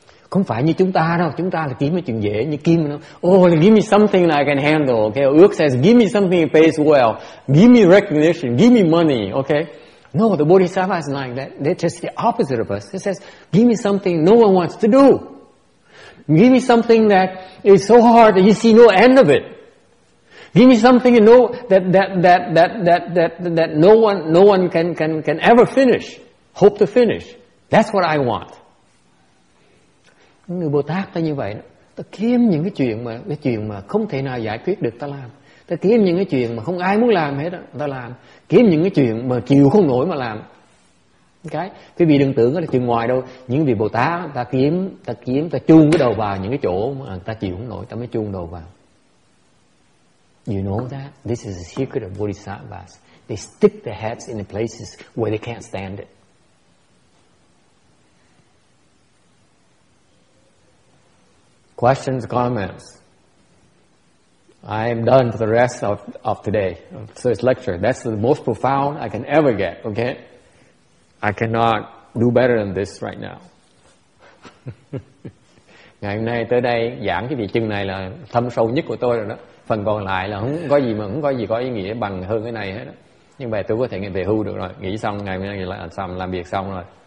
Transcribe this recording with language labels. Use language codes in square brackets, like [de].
[vi] Không phải như chúng ta đâu, chúng ta là kiếm cái chuyện dễ như Kim nó. [en] Oh, give me something that I can handle. Okay, ước says give me something that pays well, give me recognition, give me money. Okay. No, the Bodhisattva is like that. They're just the opposite of us. He says, give me something no one wants to do. Give me something that is so hard that you see no end of it. Give me something no one can ever finish, hope to finish. That's what I want. [vi] Người Bồ Tát ta như vậy, ta kiếm những cái chuyện mà không thể nào giải quyết được ta làm. Ta kiếm những cái chuyện mà không ai muốn làm hết đó, ta làm. Kiếm những cái chuyện mà chịu không nổi mà làm. Cái quý vị đừng tưởng đó là chuyện ngoài đâu. Những vị Bồ Tát ta kiếm ta chuông cái đầu vào những cái chỗ mà ta chịu không nổi, ta mới chuông đầu vào. [en] You know that? This is the secret of Bodhisattvas. They stick their heads in the places where they can't stand it. Questions, comments? I am done for the rest of today. So it's lecture. That's the most profound I can ever get, okay? I cannot do better than this right now. [vi] Ngày hôm nay tới đây giảng cái vị chừng này là thâm sâu nhất của tôi rồi đó. Phần còn lại là không có gì có ý nghĩa bằng hơn cái này hết đó. Nhưng mà tôi có thể về hưu được rồi. Nghỉ xong ngày hôm nay là xong, làm việc xong rồi.